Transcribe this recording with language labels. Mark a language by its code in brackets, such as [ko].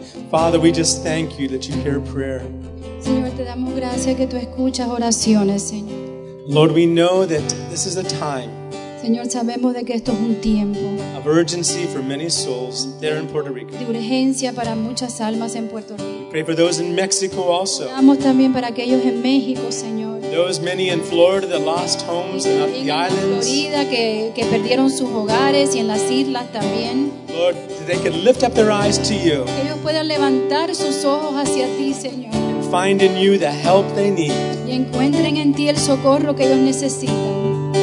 [en] Father, we just thank you that you hear prayer. [es] Señor, te damos gracias que tú escuchas oraciones, Señor. [en] Lord, we know that this is a time. [es] Señor, sabemos de que esto es un tiempo. [en] Of urgency for many souls there in Puerto Rico. [es] De urgencia para muchas almas en Puerto Rico. [en] We pray for those in Mexico also. [es] Oramos también para aquellos en México, Señor. [en] Those many in Florida that lost homes and up the islands. [es] Florida que perdieron sus hogares y en las islas también. [en] Lord, they can lift up their eyes to you. [es] Que ellos puedan levantar sus ojos hacia ti, Señor. [en] And find in you the help they need. [es] Y encuentren en ti el socorro que ellos necesitan.